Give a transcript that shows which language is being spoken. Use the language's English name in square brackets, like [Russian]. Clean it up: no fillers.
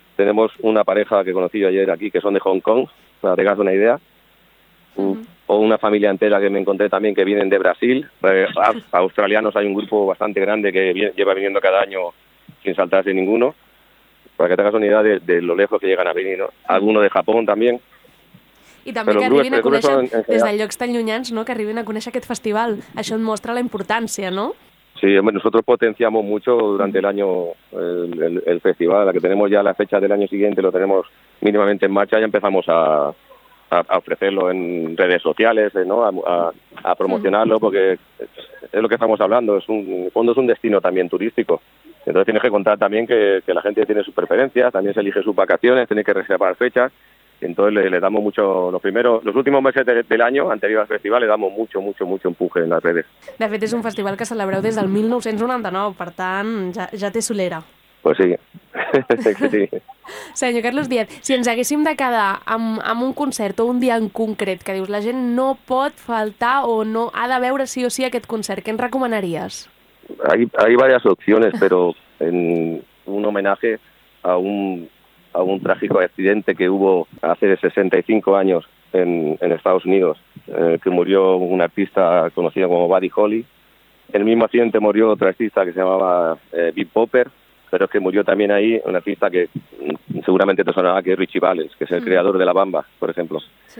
[Spanish] Tenemos una pareja que conocí yo ayer aquí, que son de Hong Kong, para que tengas una idea. O una familia entera que me encontré también, que vienen de Brasil. Australianos, hay un grupo bastante grande que lleva viniendo cada año sin saltarse ninguno. Para que tengas una idea de lo lejos que llegan a venir, ¿no? Algunos de Japón también. [Catalan] I també que arribin a conèixer, des de llocs tan llunyans, no? Que arribin a conèixer aquest festival. Això et mostra la importància, no? [Spanish] Sí, nosotros potenciamos mucho durante el año el festival, la que tenemos ya la fecha del año siguiente, lo tenemos mínimamente en marcha, ya empezamos a ofrecerlo en redes sociales, ¿no? A promocionarlo, porque es lo que estamos hablando, es un destino también turístico. Entonces tienes que contar también que la gente tiene sus preferencias, también se elige sus vacaciones, tiene que reservar fechas. Entonces le damos mucho, los últimos meses del año anterior al festival, le damos mucho, mucho, mucho empuje en las redes. [Catalan] De fet, és un festival que celebreu des del 1999, per tant, ja té solera. [Spanish] Pues sí. Sí. [Catalan] Senyor Carlos Díaz, si ens haguéssim de quedar amb un concert o un dia en concret que dius la gent no pot faltar o no ha de veure sí o sí aquest concert, què ens recomanaries? [Spanish] Hay varias opciones, pero en un homenaje a un trágico accidente que hubo hace 65 años en Estados Unidos, que murió un artista conocido como Buddy Holly. En el mismo accidente murió otro artista que se llamaba Big Popper, pero es que murió también ahí un artista que seguramente te sonará, que es Richie Valens, que es el creador de La Bamba, por ejemplo. Sí.